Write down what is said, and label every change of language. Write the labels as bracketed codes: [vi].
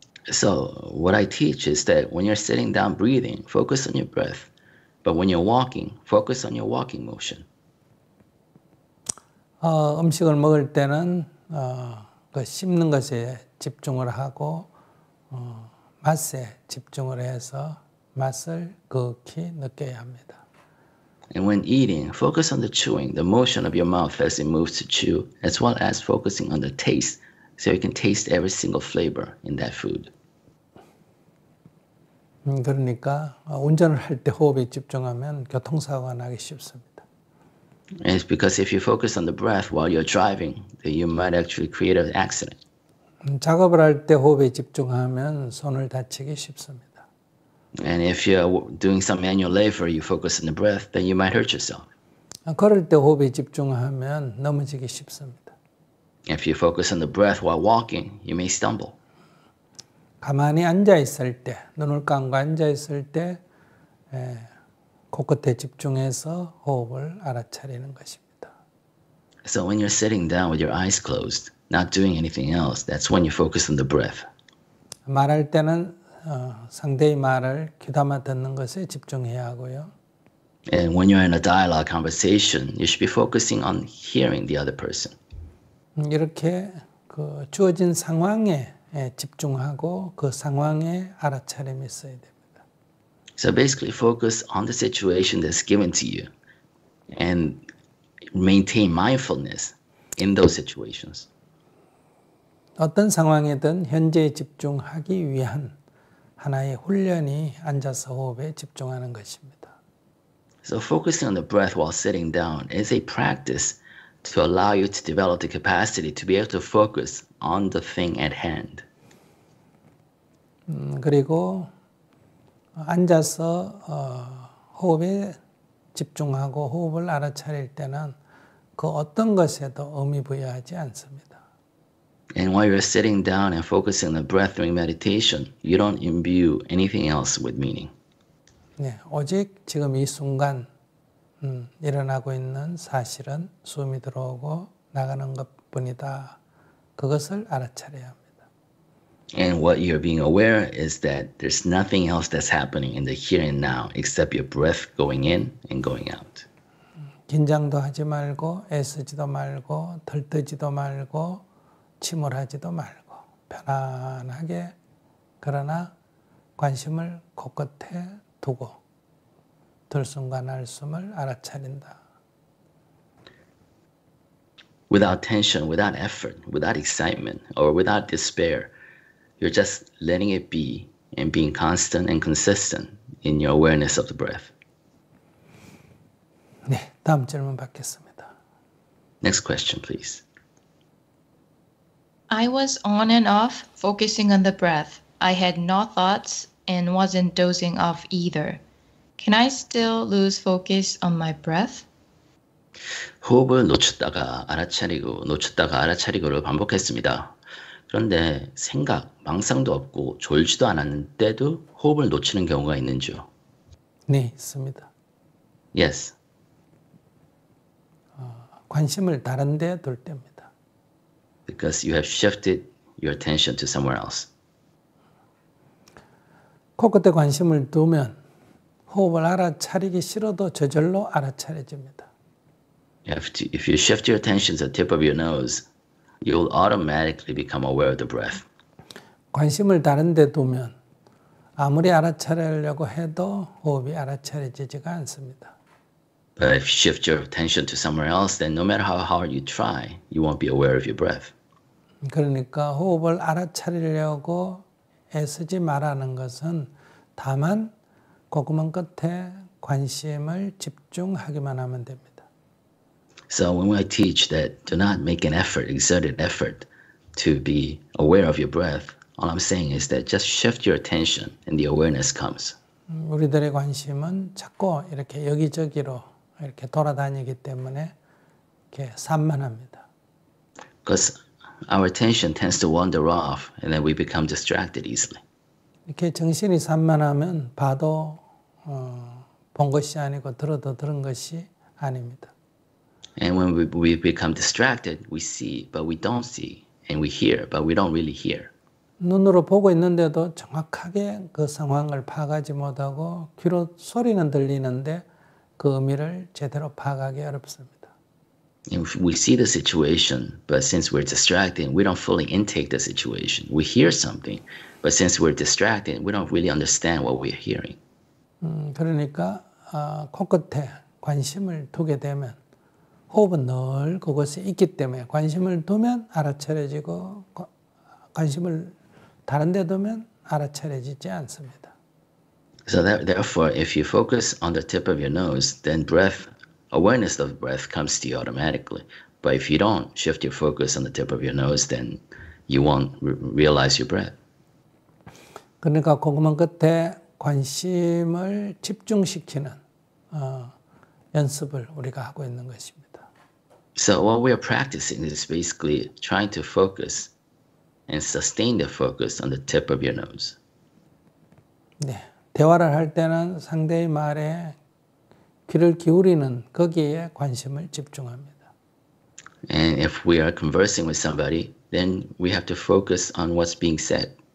[en] So what I teach is that when you're sitting down breathing, focus on your breath. But when you're walking, focus on your walking motion. [ko] 음식을 먹을 때는 그 씹는 것에 집중을 하고 맛에 집중을 해서 맛을 극히 느껴야 합니다. [en] And when eating, focus on the chewing, the motion of your mouth as it moves to chew, as well as focusing on the taste, so you can taste every single flavor in that food. [ko] 그러니까 운전을 할 때 호흡에 집중하면 교통사고가 나기 쉽습니다. [en] And it's because if you focus on the breath while you're driving, then you might actually create an accident. [ko] 작업을 할 때 호흡에 집중하면 손을 다치기 쉽습니다. [en] And if you're doing some manual labor, you focus on the breath, then you might hurt yourself. [ko] 걸을 때 호흡에 집중하면 넘어지기 쉽습니다. [en] If you focus on the breath while walking, you may stumble. [ko] 가만히 앉아 있을 때, 눈을 감고 앉아 있을 때, 코끝에 집중해서 호흡을 알아차리는 것입니다. [en] So when you're sitting down with your eyes closed, not doing anything else, that's when you focus on the breath. [ko] 말할 때는 상대의 말을 귀담아 듣는 것에 집중해야 하고요. [en] And when you're in a dialogue conversation, you should be focusing on hearing the other person. [ko] 이렇게 그 주어진 상황에 집중하고 그 상황에 알아차림이 있어야 됩니다. [en] So basically focus on the situation that's given to you and maintain mindfulness in those situations. [ko] 어떤 상황이든 현재에 집중하기 위한 하나의 훈련이 앉아서 호흡에 집중하는 것입니다. [en] So focusing on the breath while sitting down is a practice to allow you to develop the capacity to be able to focus on the thing at hand. [ko] 그리고 앉아서 호흡에 집중하고 호흡을 알아차릴 때는 그 어떤 것에도 의미 부여하지 않습니다. [en] And while you're sitting down and focusing on the breath during meditation, you don't imbue anything else with meaning. [ko] 네, 오직 지금 이 순간 일어나고 있는 사실은 숨이 들어오고 나가는 것뿐이다. 그것을 알아차려야 합니다. [en] And what you're being aware is that there's nothing else that's happening in the here and now except your breath going in and going out. [ko] 긴장도 하지 말고 애쓰지도 말고 들뜨지도 말고 침울하지도 말고 편안하게 그러나 관심을 코끝에 두고 들숨과 날숨을 알아차린다. [en] Without tension, without effort, without excitement, or without despair, you're just letting it be and being constant and consistent in your awareness of the breath. [ko] 네, 다음 질문 받겠습니다. [en] Next question, please. I was on and off focusing on the breath. I had no thoughts and wasn't dozing off either. Can I still lose focus on my breath? [ko] 호흡을 놓쳤다가 알아차리고 놓쳤다가 알아차리고를 반복했습니다. 그런데 생각, 망상도 없고 졸지도 않았는데도 호흡을 놓치는 경우가 있는지요? 네, 있습니다. [en] Yes. [ko] 관심을 다른 데 둘 때입니다. [en] Because you have shifted your attention to somewhere else. [ko] 코끝에 관심을 두면 호흡을 알아차리기 싫어도 저절로 알아차려집니다. [en] If you shift your attention to the tip of your nose, you'll automatically become aware of the breath. [ko] 관심을 다른 데 두면 아무리 알아차리려고 해도 호흡이 알아차려지지가 않습니다. [en] But if you shift your attention to somewhere else, then no matter how hard you try, you won't be aware of your breath. [ko] 그러니까 호흡을 알아차리려고 애쓰지 말라는 것은 다만 고구멍 끝에 관심을 집중하기만 하면 됩니다. [en] So when I teach that do not make an effort, exerted effort to be aware of your breath, all I'm saying is that just shift your attention and the awareness comes. [ko] 우리들의 관심은 자꾸 이렇게 여기저기로 이렇게 돌아다니기 때문에 이렇게 산만합니다. [en] Because our attention tends to wander off and then we become distracted easily. [ko] 이렇게 정신이 산만하면 봐도 본 것이 아니고 들어도 들은 것이 아닙니다. [en] And when we become distracted, we see but we don't see and we hear but we don't really hear. [ko] 눈으로 보고 있는데도 정확하게 그 상황을 파악하지 못하고 귀로 소리는 들리는데 그 의미를 제대로 파악하기 어렵습니다. [en] We see the situation, but since we're distracted, we don't fully intake the situation. We hear something, but since we're distracted, we don't really understand what we're hearing. [ko] 그러니까 코끝에 관심을 두게 되면 호흡은 늘 그곳에 있기 때문에 관심을 두면 알아차려지고 관심을 다른 데 두면 알아차려지지 않습니다. [en] So therefore, if you focus on the tip of your nose, then breath, awareness of breath comes to you automatically. But if you don't shift your focus on the tip of your nose, then you won't realize your breath. [ko] 그러니까 코구멍 끝에 관심을 집중시키는 연습을 우리가 하고 있는 것입니다. [en] So what we are practicing is basically trying to focus and sustain the focus on the tip of your nose. [ko] 네, 대화를 할 때는 상대의 말에 귀를 기울이는 거기에 관심을 집중합니다. [en] And if we are conversing with somebody, then we have to focus on what's being said.